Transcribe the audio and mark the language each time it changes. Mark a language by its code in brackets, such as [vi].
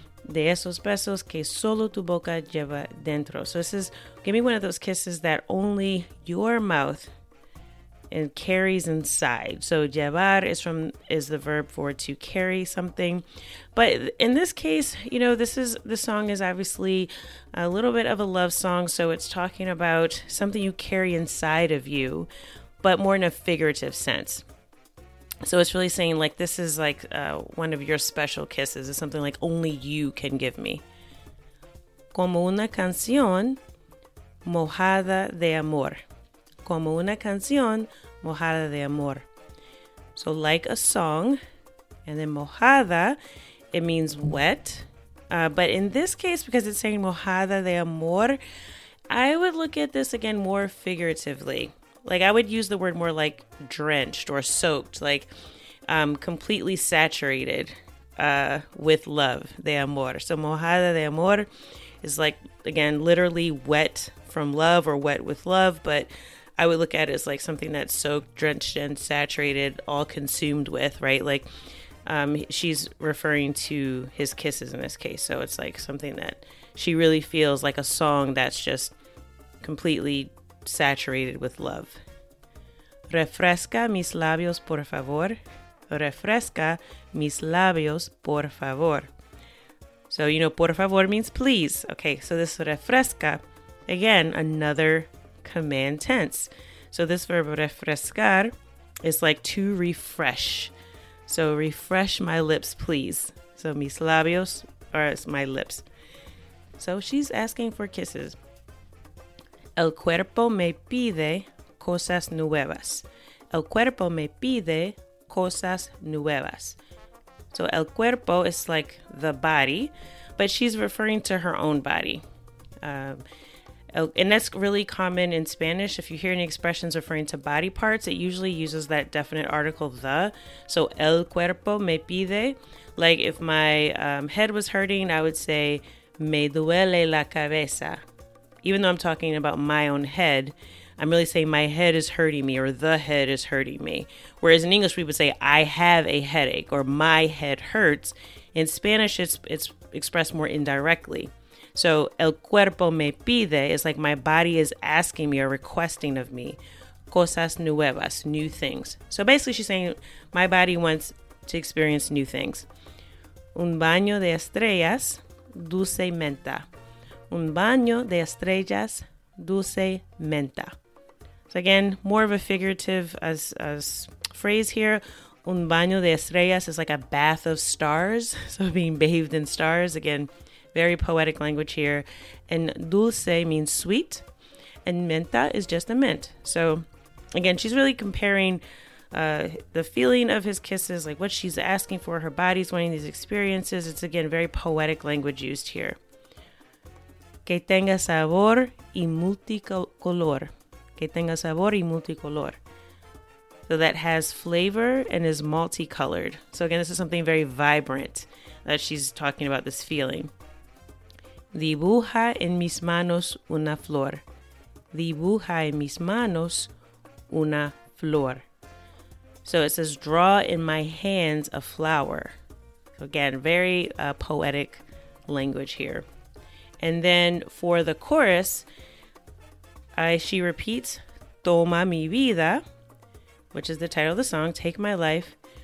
[es] De esos besos que solo tu boca lleva dentro. [en] So this is, give me one of those kisses that only your mouth and carries inside. So llevar is the verb for to carry something. But in this case, you know, this song is obviously a little bit of a love song. So it's talking about something you carry inside of you, but more in a figurative sense. So it's really saying like, this is like one of your special kisses. It's something like only you can give me. [es] Como una canción mojada de amor. Como una canción mojada de amor. [en] So like a song, and then mojada, it means wet. But in this case, because it's saying mojada de amor, I would look at this again more figuratively. Like I would use the word more like drenched or soaked, like completely saturated with love, [es] de amor. [en] So [es] mojada de amor [en] is like, again, literally wet from love or wet with love, but I would look at it as like something that's soaked, drenched, and saturated, all consumed with, right? Like she's referring to his kisses in this case. So it's like something that she really feels like a song that's just completely saturated with love. [es] Refresca mis labios, por favor. Refresca mis labios, por favor. [en] So, you know, [es] por favor [en] means please. Okay, so this [es] refresca, [en] again, another command tense. So this verb refrescar is like to refresh. So refresh my lips, please. So [es] mis labios [en] are my lips. So she's asking for kisses. [es] El cuerpo me pide cosas nuevas. El cuerpo me pide cosas nuevas. [en] So [es] el cuerpo [en] is like the body, but she's referring to her own body. And that's really common in Spanish. If you hear any expressions referring to body parts, it usually uses that definite article, the. So, [es] el cuerpo me pide. [en] Like, if my head was hurting, I would say, [es] me duele la cabeza. [en] Even though I'm talking about my own head, I'm really saying my head is hurting me, or the head is hurting me. Whereas in English, we would say I have a headache or my head hurts. In Spanish, it's expressed more indirectly. So [es] el cuerpo me pide [en] is like my body is asking me or requesting of me [es] cosas nuevas, [en] new things. So basically she's saying my body wants to experience new things. [es] Un baño de estrellas, dulce menta. Un baño de estrellas, dulce menta. [en] So again, more of a figurative as phrase here. [es] Un baño de estrellas [en] is like a bath of stars. So being bathed in stars, again, very poetic language here. And dulce means sweet. And menta is just a mint. So again, she's really comparing the feeling of his kisses, like what she's asking for, her body's wanting these experiences. It's again, very poetic language used here. [es] Que tenga sabor y multicolor. Que tenga sabor y multicolor. [en] So that has flavor and is multicolored. So again, this is something very vibrant that she's talking about, this feeling. [es] Dibuja en mis manos una flor. Dibuja en mis manos una flor. [en] So it says, draw in my hands a flower. So again, very poetic language here. And then for the chorus, she repeats, [es] toma mi vida, [en] which is the title of the song, take my life.